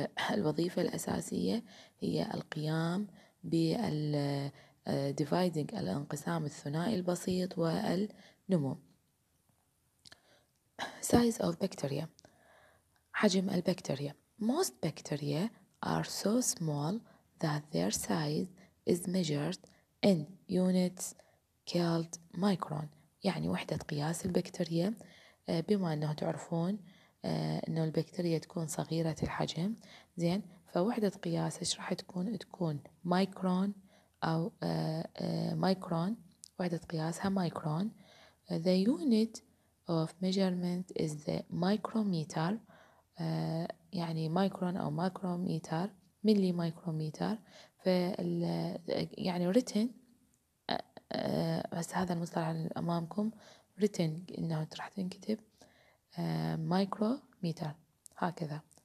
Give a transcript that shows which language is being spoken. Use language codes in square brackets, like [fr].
[ar] الوظيفة الأساسية هي القيام بال dividing الانقسام الثنائي البسيط والنمو. [en] size of bacteria [ar] حجم البكتيريا [en] most bacteria are so small that their size is measured in units called micron. [ar] يعني وحدة قياس البكتيريا، بما انه تعرفون انه البكتيريا تكون صغيرة الحجم، زين، فوحدة قياس ايش راح تكون؟ تكون مايكرون او مايكرون، وحدة قياسها مايكرون. [en] The unit of measurement is the micrometer. [ar] يعني مايكرون او مايكروميتر، ملي مايكروميتر، يعني written بس هذا المصطلح امامكم written انه راح تنكتب مايكروميتر هكذا.